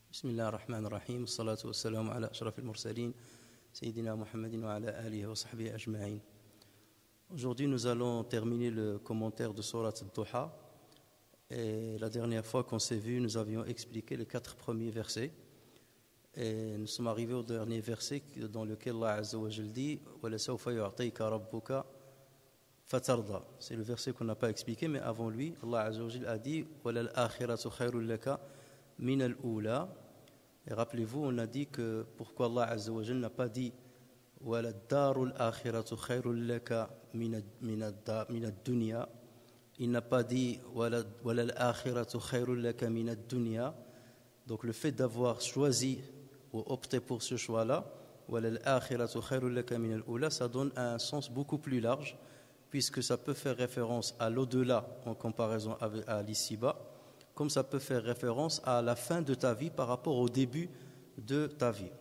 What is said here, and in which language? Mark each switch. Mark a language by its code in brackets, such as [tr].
[ar] بسم الله الرحمن الرحيم، الصلاة والسلام على أشرف المرسلين سيدنا محمد وعلى آله وصحبه أجمعين. [fr] Aujourd'hui nous allons terminer le commentaire de Sourate Duha. Et la dernière fois qu'on s'est vu, nous avions expliqué les quatre premiers versets. Et nous sommes arrivés au dernier verset dans lequel Allah Azza wa Jal dit [ar] وَلَسَوْفَ يُعْطَيْكَ رَبُّكَ فَتَرْضَى. [fr] C'est le verset qu'on n'a pas expliqué, mais avant lui, Allah Azza wa Jal a dit [ar] وَلَلْآخِرَةُ خَيْرٌ لَكَ مِنَ الْأُولَى. [fr] Et rappelez-vous, on a dit que pourquoi Allah Azza wa Jal n'a pas dit [ar] وَلَلْدَارُ الْآخِرَةُ خَيْرٌ لَكَ مِنَ الدُّنْيَا. [fr] Il n'a pas dit [ar] وَلَلْآخِرَةُ خَيْرٌ لَكَ مِنَ الدُّنْيَا. [fr] Donc le fait d'avoir choisi ou opté pour ce choix-là, [ar] وَلَلْآخِرَةُ خَيْرٌ لَكَ مِنَ الْأُولَى, [fr] ça donne un sens beaucoup plus large, puisque ça peut faire référence à l'au-delà en comparaison avec à l'ici-bas, comme ça peut faire référence à la fin de ta vie par rapport au début de ta vie.